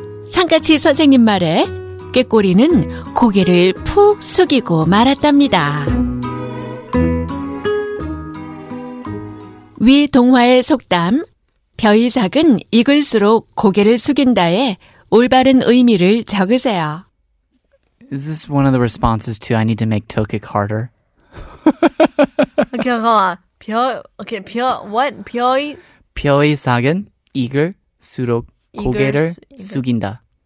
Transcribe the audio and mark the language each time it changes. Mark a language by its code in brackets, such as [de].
[ko] 상가치 선생님 말에 꾀꼬리는 고개를 푹 숙이고 말았답니다. 위 동화의 속담, 벼이삭은 익을수록 고개를 숙인다의 올바른 의미를 적으세요. [en] Is this one of the responses to I need to make Tokic harder? Okay, hold on. 벼, okay, 벼, what? 벼이? [ko] 벼이삭은 익을수록 고개를 숙인다.